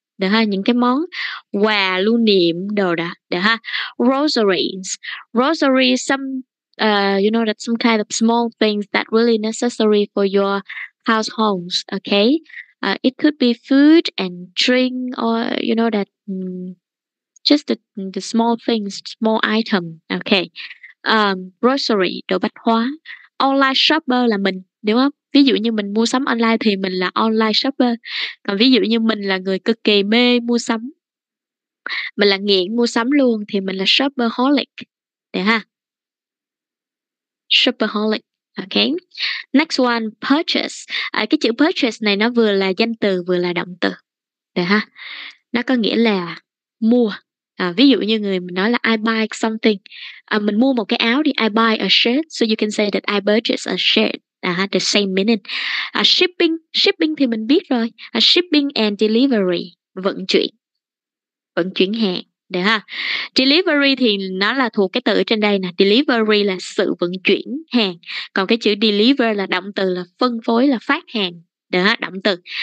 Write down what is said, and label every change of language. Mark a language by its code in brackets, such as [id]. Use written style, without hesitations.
[vi] Được ha, những cái món quà lưu niệm đồ đó, được ha. [en] Rosary is some you know, that's some kind of small things that really necessary for your households, okay? It could be food and drink, or you know, that just the small things, small item, okay? [vi] Rosary, đồ bách hóa. Online shopper là mình, đúng không? Ví dụ như mình mua sắm online thì mình là online shopper. Còn ví dụ như mình là người cực kỳ mê mua sắm, mình là nghiện mua sắm luôn, thì mình là shopperholic. Được ha? Shopperholic. Okay. [en] Next one, purchase. [vi] Cái chữ purchase này nó vừa là danh từ vừa là động từ. Được ha? Nó có nghĩa là mua. Ví dụ như người mình nói là [en] I buy something. [vi] Mình mua một cái áo đi. [en] I buy a shirt. So you can say that I purchase a shirt. The same meaning. [vi] Shipping thì mình biết rồi. Shipping and delivery, vận chuyển hàng, được ha. Delivery thì nó là thuộc cái từ ở trên đây nè. Delivery là sự vận chuyển hàng. Còn cái chữ deliver là động từ, là phân phối, là phát hàng, được ha, động từ.